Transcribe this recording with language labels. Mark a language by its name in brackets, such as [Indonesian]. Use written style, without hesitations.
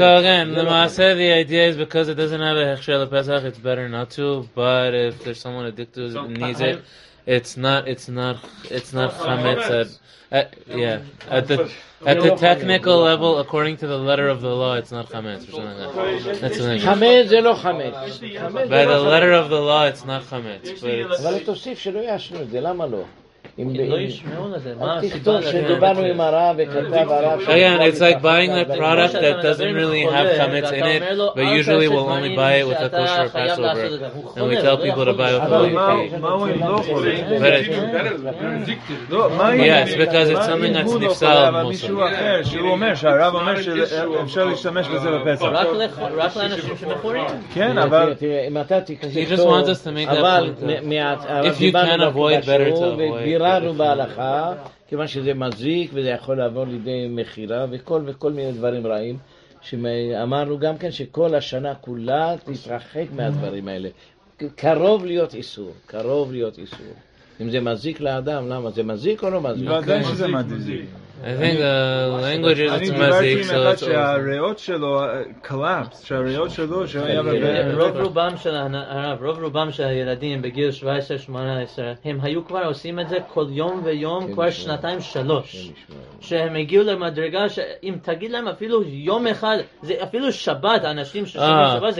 [English] So again, למעשה, the idea is because it doesn't have a הכשר לפסח, it's better not to, but if there's someone addicted to it and needs it, it's not חמץ. At the technical level, according to the letter of the law, it's not chametz or something like that. Chametz is not chametz. By the letter of the law, it's not chametz. [Hebrew] אבל תוסיף שלא ישנו את זה, למה לא? אם לא ישמעו לזה, תכתוב שדיברנו עם הרב וכתב הרב. [English] Again, it's like buying a product that doesn't really have chametz in it, but usually we'll only buy it with a kosher Passover, and we tell people to buy it with a kosher Passover. Yes, because it's something that's nifsal of Muslim. [Hebrew] הרב אומר שאפשר להשתמש בזה בפסח. רק לאנשים שמחורים. כן, אבל אם אתה תכתוב, [English] he just wants us to make that point. If you can avoid, better to avoid. [Hebrew] ביררנו בהלכה, כיוון שזה מזיק וזה יכול לעבור לידי מחירה וכל מיני דברים רעים, שאמרנו גם כן שכל השנה כולה תתרחק מהדברים האלה. קרוב להיות איסור, קרוב להיות איסור. אם זה מזיק לאדם, למה? זה מזיק או לא מזיק? לא יודע שזה מזיק. [English] I think the language is it's mazik, so it's over. [Hebrew] שהריאות שלו collapsed, שהריאות שלו שהיה בבית. רוב רובם של הילדים בגיל 17-18, הם היו כבר עושים את זה כל יום ויום, כבר שנתיים שלוש. שהם הגיעו למדרגה, שאם תגיד להם אפילו יום אחד, זה אפילו שבת, אנשים ששומעים שבת, זה